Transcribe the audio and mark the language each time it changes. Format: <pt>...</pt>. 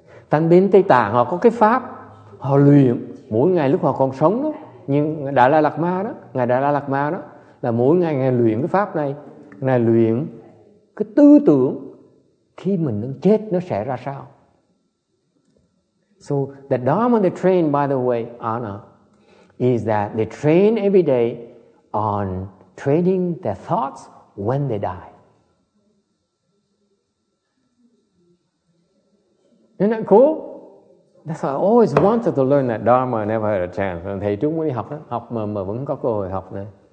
<vi>Tăng bên Tây Tạng họ có cái pháp, họ luyện mỗi ngày lúc họ còn sống đó. Nhưng Đại La Lạt Ma đó, ngài Đại La Lạt Ma đó là mỗi ngày ngài luyện cái pháp này, ngài luyện cái tư tưởng khi mình đang chết nó sẽ ra sao.</vi> <en>So the dharma they train, by the way, Anna, is that they train every day on training their thoughts when they die. Isn't that cool? That's why I always wanted to learn that dharma. I never had a chance.</en> <vi>And thầy trước muốn đi học đó, học mà vẫn có cơ hội học nữa.</vi>